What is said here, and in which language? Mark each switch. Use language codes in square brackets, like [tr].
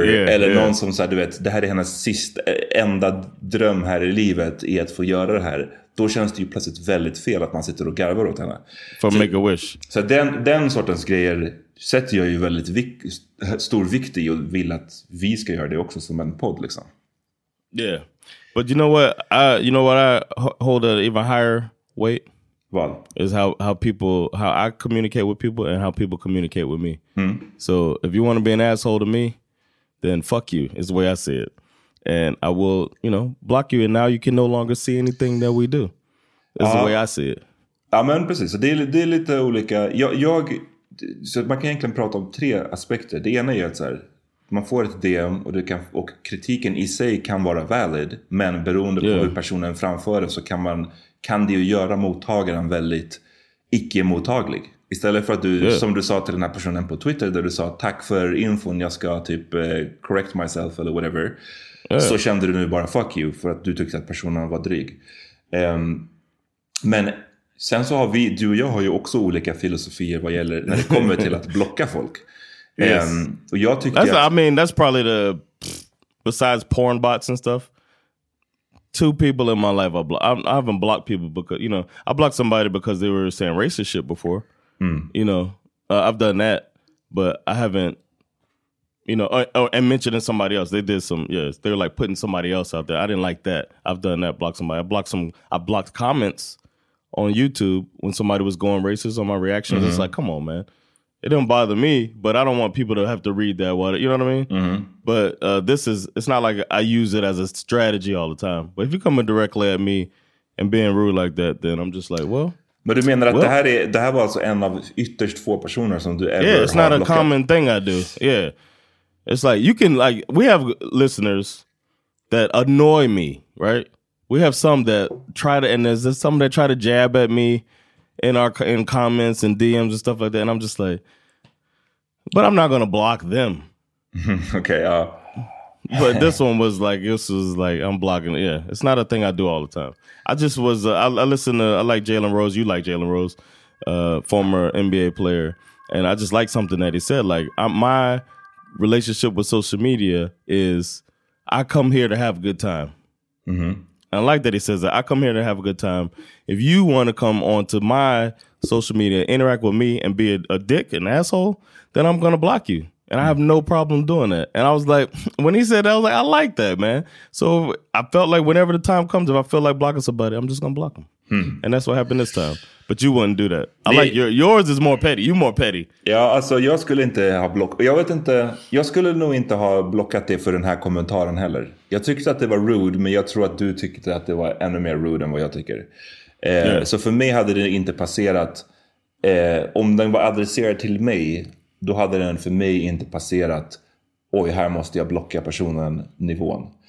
[sv] Eller någon som så här, du vet, det här är hennes sista, enda dröm här i livet är att få göra det här. Då känns det ju plötsligt väldigt fel att man sitter och garvar åt henne. För att [en] make a wish. [sv] Så den sortens grejer sätter jag ju väldigt stor vikt i, och vill att vi ska göra det också som en podd liksom. [en] Yeah. But you know what I hold an even higher weight? What? Is how I communicate with people and how people communicate with me. Mm. So if you want to be an asshole to me, then fuck you is the way I see it. And I will, you know, block you, and now you can no longer see anything that we do. That's the way I see it. [sv] Ja, men precis. Så det är lite olika. Jag så man kan egentligen prata om tre aspekter. Det ena är att så här, man får ett DM och, det kan, och kritiken i sig kan vara valid, men beroende på hur personen framför det så kan det ju göra mottagaren väldigt icke-mottaglig. Istället för att du, som du sa till den här personen på Twitter, där du sa tack för infon, jag ska typ [en] correct myself [sv] eller whatever, så kände du nu bara fuck you för att du tyckte att personen var dryg. Men sen så har vi, du och jag har ju också olika filosofier vad gäller när det kommer till att blocka folk. Och jag tycker [en] that's, att, I mean, that's probably the, besides porn bots and stuff, two people in my life I haven't blocked people because, you know, I blocked somebody because they were saying racist shit before. You know, I've done that, but I haven't, you know, and mentioning somebody else. They did some, they're like putting somebody else out there. I didn't like that. I've done that, blocked somebody. I blocked comments on YouTube when somebody was going racist on my reactions. Mm-hmm. It's like, come on, man. It didn't bother me, but I don't want people to have to read that. What, you know what I mean? Mm-hmm. But this is, it's not like I use it as a strategy all the time. But if you're coming directly at me and being rude like that, then I'm just like, well. [sv] Men du menar att det här var alltså en av ytterst få personer som du [en] ever [sv] har blockat? [en] Yeah, it's not a common thing I do. Yeah. It's like, you can, like, we have listeners that annoy me, right? We have some that try to, and there's some that try to jab at me in comments and DMs and stuff like that. And I'm just like, but I'm not going to block them. Okay, But this one was like, this was like, I'm blocking it. Yeah, it's not a thing I do all the time. I just was, I listen to, I like Jalen Rose. You like Jalen Rose, former NBA player. And I just like something that he said. Like, my relationship with social media is, I come here to have a good time. Mm-hmm. And I like that he says that. I come here to have a good time. If you want to come on to my social media, interact with me and be a dick, an asshole, then I'm going to block you. And I have no problem doing that. And I was like, when he said that, I was like, I like that, man. So I felt like whenever the time comes, if I feel like blocking somebody, I'm just going to block him. Hmm. And that's what happened this time. But you wouldn't do that. I like yours is more petty. You more petty. [sv] Ja, alltså jag skulle inte ha blockat. Jag vet inte. Jag skulle nog inte ha blockat det för den här kommentaren heller. Jag tyckte att det var rude, men jag tror att du tyckte att det var ännu mer rude än vad jag tycker. Så för mig hade det inte passerat. Om den var adresserad till mig, då hade den för mig inte passerat, oj, här måste jag blocka personen nivån.